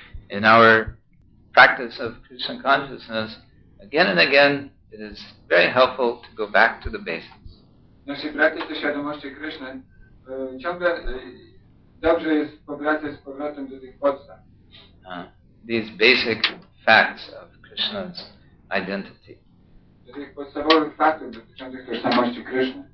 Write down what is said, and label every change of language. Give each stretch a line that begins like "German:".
English: In our practice of Krishna consciousness, again and again, it is very helpful to go back to the basics.
Polish: W naszej praktyce świadomości Krishna ciągle dobrze jest powracać do tych podstaw.
English: These basic facts of Krishna's identity.
Polish: Do tych podstawowych faktów dotyczących tożsamości Krishna.